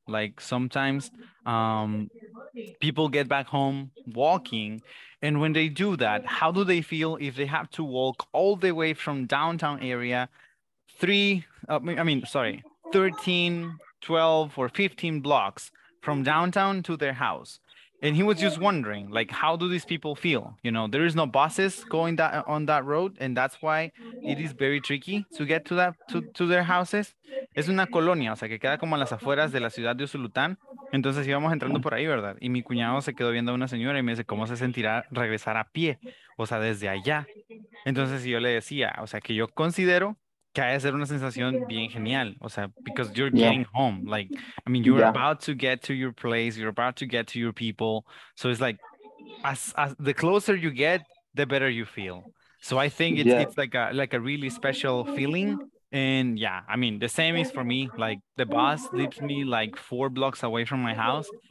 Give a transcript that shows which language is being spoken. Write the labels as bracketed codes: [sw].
[en] Like sometimes people get back home walking, and when they do that, how do they feel if they have to walk all the way from downtown area 13, 12 or 15 blocks from downtown to their house? And he was just wondering, like, how do these people feel? You know, there is no buses going that on that road, and that's why it is very tricky to get to that to their houses. [es] Es una colonia, o sea, que queda como a las afueras de la ciudad de Usulután. Entonces íbamos entrando por ahí, ¿verdad? Y mi cuñado se quedó viendo a una señora y me dice, ¿cómo se sentirá regresar a pie? O sea, desde allá. Entonces yo le decía, o sea, que yo considero que ha de ser una sensación bien genial. O sea, [en] because you're getting home. Like, I mean, you're about to get to your place. You're about to get to your people. So it's like, as the closer you get, the better you feel. So I think it's like a really special feeling. And yeah, I mean, the same is for me. Like, the bus leaves me like 4 blocks away from my house.